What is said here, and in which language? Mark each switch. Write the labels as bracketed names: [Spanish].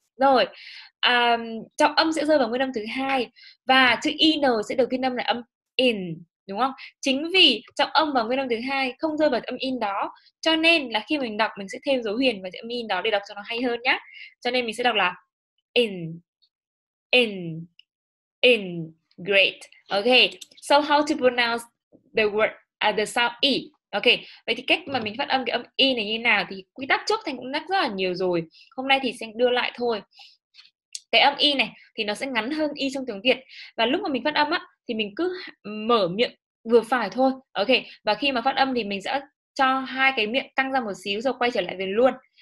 [Vietnamese] Rồi, trọng âm sẽ rơi vào nguyên âm thứ hai và chữ IN sẽ được ghi âm là âm IN đúng không? Chính vì trọng âm vào nguyên âm thứ hai không rơi vào âm IN đó, cho nên là khi mình đọc mình sẽ thêm dấu huyền vào âm IN đó để đọc cho nó hay hơn nhé. Cho nên mình sẽ đọc là IN, IN, IN, great. [English] Ok, so how to pronounce the word at the sound E? [Vietnamese] Ok, vậy thì cách mà mình phát âm cái âm I này như thế nào thì quy tắc trước Thanh cũng nhắc rất là nhiều rồi. Hôm nay thì sẽ đưa lại thôi. Cái âm I này thì nó sẽ ngắn hơn I trong tiếng Việt. Và lúc mà mình phát âm á, thì mình cứ mở miệng vừa phải thôi. Ok, và khi mà phát âm thì mình sẽ cho hai cái miệng căng ra một xíu rồi quay trở lại về luôn.